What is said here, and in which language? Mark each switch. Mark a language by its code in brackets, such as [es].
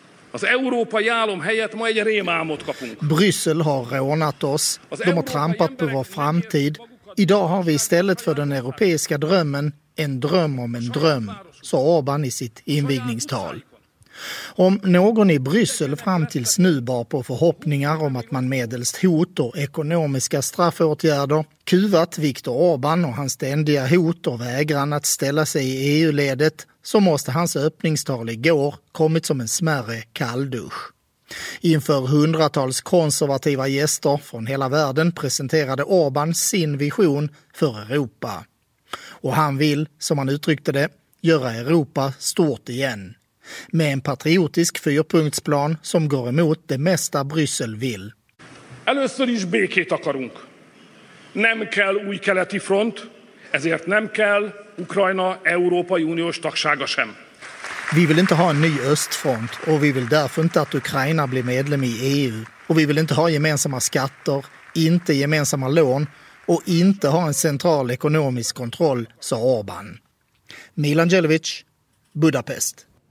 [hu] Az Európa jálom helyett ma egy rémálmot kapunk. [sv] Bryssel har rånat oss. De har trampat på vår framtid. Idag har vi istället för den europeiska drömmen en dröm om en dröm, sa Orbán i sitt invigningstal. Om någon i Bryssel fram tills nu bar på förhoppningar om att man medelst hot och ekonomiska straffåtgärder kuvat Viktor Orbán och hans ständiga hot och vägran att ställa sig i EU-ledet, så måste hans öppningstal igår kommit som en smärre kalldusch. Inför hundratals konservativa gäster från hela världen presenterade Orbán sin vision för Europa. Och han vill, som han uttryckte det, göra Europa stort igen. Med en patriotisk fyrpunktsplan som går emot det mesta Bryssel vill. [hu] Először is békét akarunk. Nem kell új keleti front, ezért nem kell Ukrajna Európai Uniós tagsága sem. [sv] Vi vill inte ha en ny östfront och vi vill därför inte att Ukraina blir medlem i EU. Och vi vill inte ha gemensamma skatter, inte gemensamma lån och inte ha en central ekonomisk kontroll, sa Orbán. Milan Jelovic, Budapest.